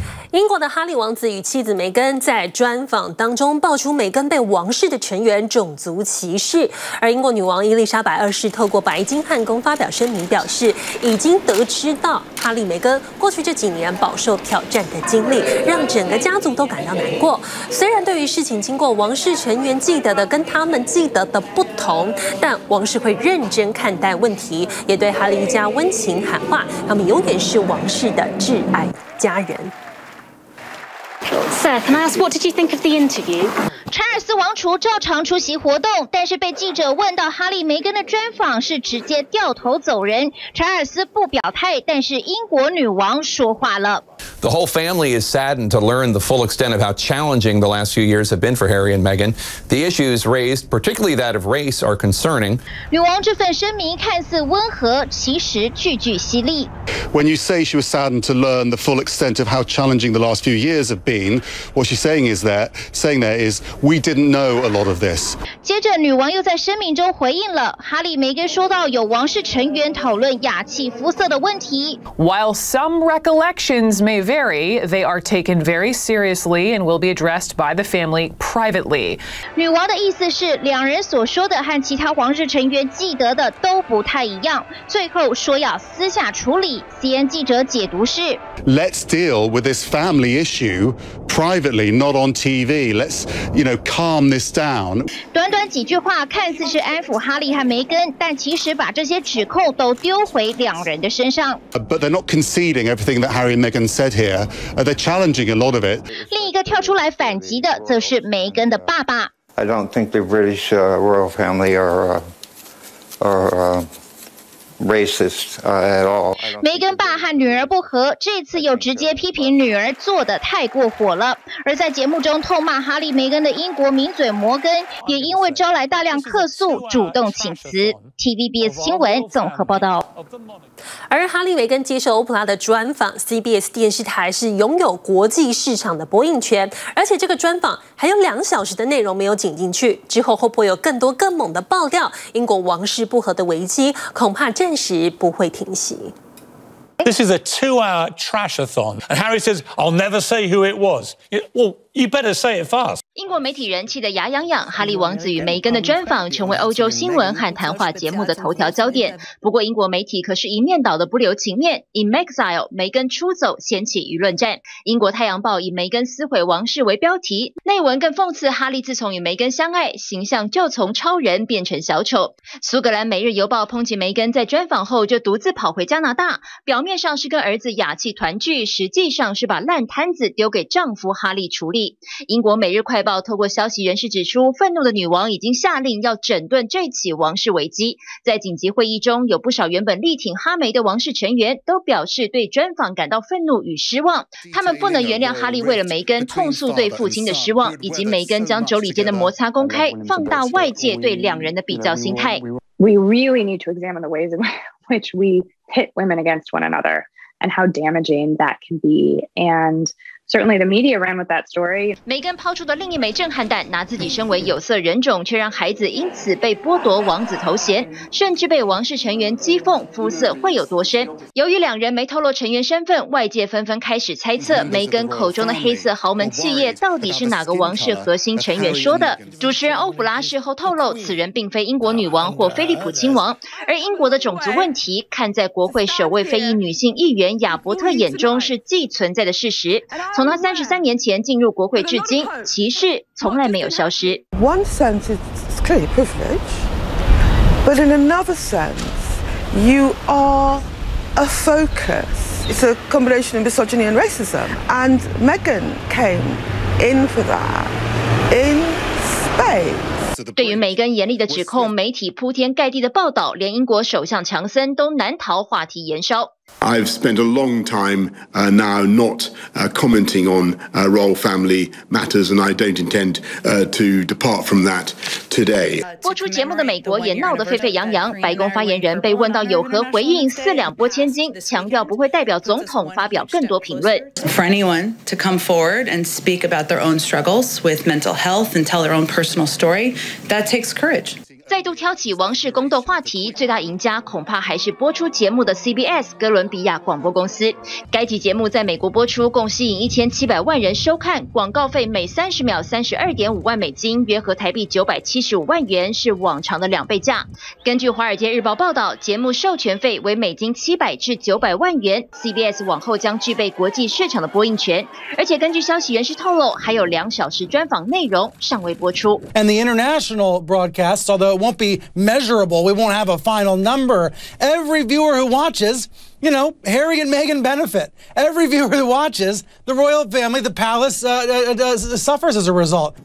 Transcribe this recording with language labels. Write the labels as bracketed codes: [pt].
[zh] 英国的哈利王子与妻子梅根在专访当中爆出梅根被王室的成员种族歧视，而英国女王伊丽莎白二世透过白金汉宫发表声明表示，已经得知到哈利梅根过去这几年饱受挑战的经历，让整个家族都感到难过。虽然对于事情经过，王室成员记得的跟他们记得的不同，但王室会认真看待问题，也对哈利一家温情喊话，他们永远是王室的挚爱家人。 [en] Sir, can I ask what did you think of the interview? [zh] 查尔斯王储照常出席活动，但是被记者问到哈利梅根的专访，是直接掉头走人。查尔斯不表态，但是英国女王说话了。 [en] The whole family is saddened to learn the full extent of how challenging the last few years have been for Harry and Meghan. The issues raised, particularly that of race, are concerning. [zh] 女王这份声明看似温和，其实句句犀利。 [en] When you say she was saddened to learn the full extent of how challenging the last few years have been, what she's saying is we didn't know a lot of this. [zh] 接着，女王又在声明中回应了哈利梅根说到有王室成员讨论雅气肤色的问题。 [en] While some recollections may vary, they are taken very seriously and will be addressed by the family privately. [zh] 女王的意思是，两人所说的和其他王室成员记得的都不太一样，最后说要私下处理。 CNN 记者解读是 [en] ：Let's deal with this family issue privately, not on TV. Let's, you know, calm this down. [zh] 短短几句话看似是安抚哈利和梅根，但其实把这些指控都丢回两人的身上。 [en] But they're not conceding everything that Harry and Meghan said here. They're challenging a lot of it. [zh] 另一个跳出来反击的则是梅根的爸爸。 [en] I don't think the British royal family are racist at all. [zh] 梅根爸和女儿不和，这次又直接批评女儿做得太过火了。而在节目中痛骂哈利梅根的英国名嘴摩根，也因为招来大量客诉，主动请辞。 TVBS 新闻综合报道。而哈利梅根接受欧普拉的专访 ，CBS 电视台是拥有国际市场的播映权，而且这个专访还有两小时的内容没有剪进去，之后会不会有更多更猛的爆料？英国王室不和的危机恐怕暂时不会停息。 [en] This is a two-hour trashathon, and Harry says, "I'll never say who it was." Well, you better say it fast. [zh] 英国媒体人气得牙痒痒，哈利王子与梅根的专访成为欧洲新闻和谈话节目的头条焦点。不过，英国媒体可是一面倒的不留情面。 [en] In exile, [zh] 梅根出走掀起舆论战。英国《太阳报》以梅根撕毁王室为标题，内文更讽刺哈利自从与梅根相爱，形象就从超人变成小丑。苏格兰《每日邮报》抨击梅根在专访后就独自跑回加拿大，表面上是跟儿子雅气团聚，实际上是把烂摊子丢给丈夫哈利处理。英国《每日快报》透过消息人士指出，愤怒的女王已经下令要整顿这起王室危机。在紧急会议中，有不少原本力挺哈梅的王室成员都表示对专访感到愤怒与失望，他们不能原谅哈利为了梅根痛诉对父亲的失望，以及梅根将妯娌间的摩擦公开，放大外界对两人的比较心态。 [en] We really need to examine the ways in which we pit women against one another and how damaging that can be. And certainly the media ran with that story. [zh] 梅根抛出的另一枚震撼弹，拿自己身为有色人种，却让孩子因此被剥夺王子头衔，甚至被王室成员讥讽肤色会有多深。由于两人没透露成员身份，外界纷纷开始猜测梅根口中的黑色豪门企业到底是哪个王室核心成员说的。主持人欧普拉事后透露，此人并非英国女王或菲利普亲王，而英国的种族问题，看在国会首位非裔女性议员雅伯特眼中是既存在的事实。从他33年前进入国会至今，歧视从来没有消失。 [en] One sense it's clearly privilege, but in another sense, you are a focus. It's a combination of misogyny and racism. And Meghan came in for that in spades. [zh] 对于梅根严厉的指控，媒体铺天盖地的报道，连英国首相强森都难逃话题延烧。 [en] I've spent a long time now not commenting on royal family matters, and I don't intend to depart from that today. [zh] 播出节目的美国也闹得沸沸扬扬。白宫发言人被问到有何回应，四两拨千斤，强调不会代表总统发表更多评论。 [en] For anyone to come forward and speak about their own struggles with mental health and tell their own personal story, that takes courage. [zh] 再度挑起王室宫斗话题，最大赢家恐怕还是播出节目的 CBS 哥伦比亚广播公司。该集节目在美国播出，共吸引1700万人收看，广告费每30秒32.5万美金，约合台币975万元，是往常的两倍价。根据《华尔街日报》报道，节目授权费为美金700至900万元 ，CBS 往后将具备国际市场的播映权。而且根据消息人士透露，还有2小时专访内容尚未播出。 [en] And the international broadcast, although it won't be measurable, we won't have a final number, every viewer who watches, you know, Harry and Meghan benefit. Every viewer who watches, the royal family, the palace, suffers as a result.